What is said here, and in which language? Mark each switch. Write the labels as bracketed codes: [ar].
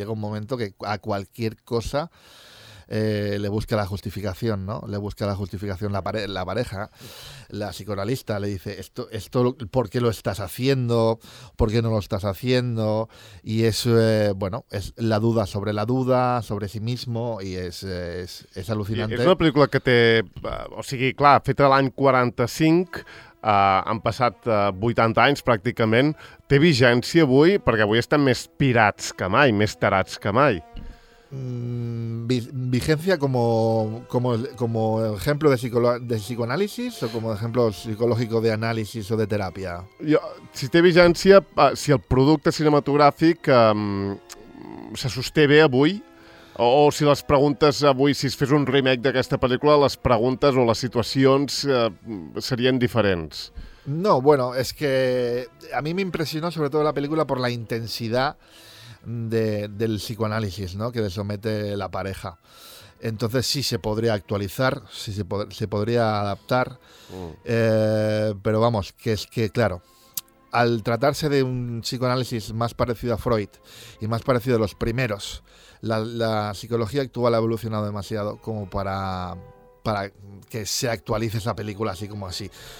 [es] Llega un momento que a cualquier cosa le busca la justificación, ¿no? Le busca la justificación la pareja, la psicoanalista le dice esto, ¿por qué lo estás haciendo? ¿Por qué no lo estás haciendo? Y es bueno, es la duda sobre la duda, sobre sí mismo, y es alucinante. [ca] I és una película que té, o sigui, clar, feta l'any 45, han passat 80 anys pràcticament, té vigència avui, perquè avui estem més pirats que mai, més tarats que mai. [es] Vigencia como ejemplo de psicoanálisis o como ejemplo psicológico de análisis o de terapia. [ca] Jo, si té vigència, si el producte cinematogràfic se sosté bé avui, o si les preguntes avui, si es fes un remake d'aquesta pel·lícula, les preguntes o les situacions serien diferents. [es] No, bueno, es que a mí me impresionó sobre todo la película por la intensidad del psicoanálisis, ¿no? Que le somete la pareja. Entonces sí se podría actualizar, sí se podría adaptar, pero vamos, que es que, claro, al tratarse de un psicoanálisis más parecido a Freud y más parecido a los primeros, la psicología actual ha evolucionado demasiado como para que se actualice esa película así como así.